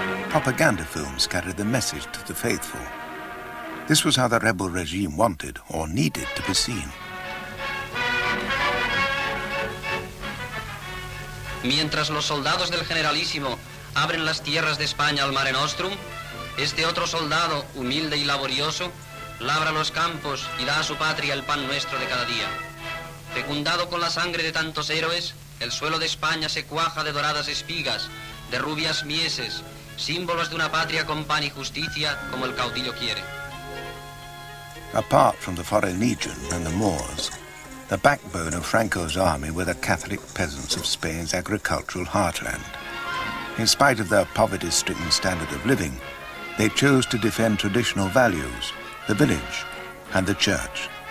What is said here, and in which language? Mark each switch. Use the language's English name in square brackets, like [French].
[English] propaganda films carried the message to the faithful. This was how the rebel regime wanted or needed to be seen. [Spanish] Mientras los soldados del Generalísimo abren las tierras de España al Mare Nostrum, este otro soldado, humilde y laborioso, labra los campos y da a su patria el pan nuestro de cada día. Fecundado con la sangre de tantos héroes, el suelo de España se cuaja de doradas espigas, de rubias mieses, símbolos de una patria con pan y justicia como el caudillo quiere. [English] Apart from the foreign legion and the Moors, the backbone of Franco's army were the Catholic peasants of Spain's agricultural heartland. In spite of their poverty-stricken standard of living, they chose to defend traditional values, the village, and the church.